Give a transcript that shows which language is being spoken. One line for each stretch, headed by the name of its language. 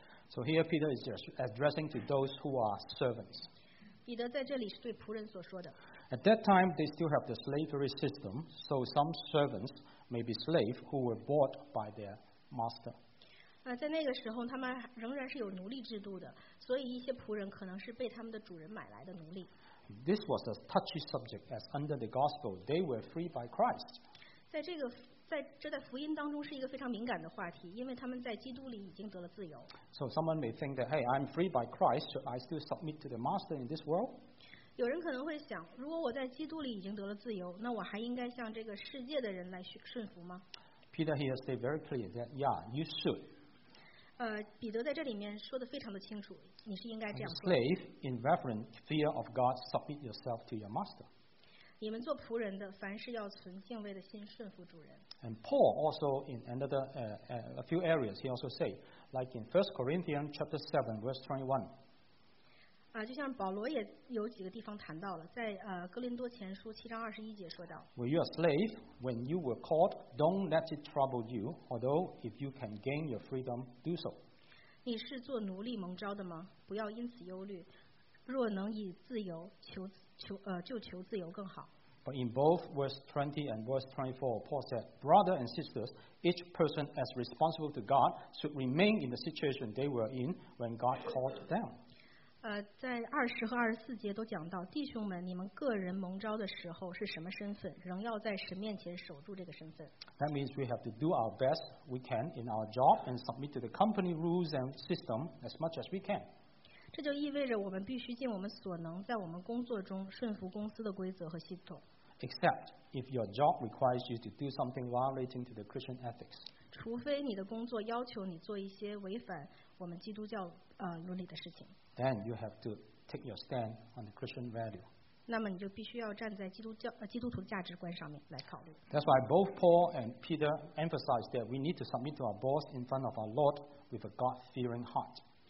English: So here Peter is just addressing to those who are servants.
Chinese: 彼得在这里是对仆人所说的。
English: At that time, they still have the slavery system, so some servants may be slaves who were bought by their master.
Chinese: 在那个时候，他们仍然是有奴隶制度的，所以一些仆人可能是被他们的主人买来的奴隶。
English: This was a touchy subject, as under the gospel, they were free by Christ.
Chinese: 在福音当中是一个非常敏感的话题，因为他们在基督里已经得了自由。
English: So someone may think that, hey, I'm free by Christ, should I still submit to the master in this world?
Chinese: 有人可能会想，如果我在基督里已经得了自由，那我还应该向这个世界的人来顺服吗？
English: Peter here said very clear that, yeah, you should.
Chinese: 彼得在这里面说得非常的清楚，你是应该这样说。
English: Slave, in reverent fear of God, submit yourself to your master.
Chinese: 你们做仆人的，凡事要存敬畏的心，顺服主人。
English: And Paul also in another a few areas, he also say, like in 1 Corinthians chapter 7 verse 21.
Chinese: 就像保罗也有几个地方谈到了，在哥林多前书七章二十一节说到。
English: When you are slave, when you were called, don't let it trouble you. Although if you can gain your freedom, do so.
Chinese: 你是做奴隶蒙召的吗？不要因此忧虑。若能以自由求。就求自由更好。
English: But in both verse 20 and verse 24, Paul said, "Brother and sisters, each person as responsible to God should remain in the situation they were in when God called them."
Chinese: 在二十和二十四节都讲到，弟兄们，你们个人蒙召的时候是什么身份，仍要在神面前守住这个身份。
English: That means we have to do our best we can in our job and submit to the company rules and system as much as we can.
Chinese: 这就意味着我们必须尽我们所能，在我们工作中顺服公司的规则和系统。
English: Except if your job requires you to do something violating to the Christian ethics.
Chinese: 除非你的工作要求你做一些违反我们基督教伦理的事情。
English: Then you have to take your stand on the Christian value.
Chinese: 那么你就必须要站在基督徒的价值观上面来考虑。
English: That's why both Paul and Peter emphasize that we need to submit to our boss in front of our Lord with a God-fearing heart.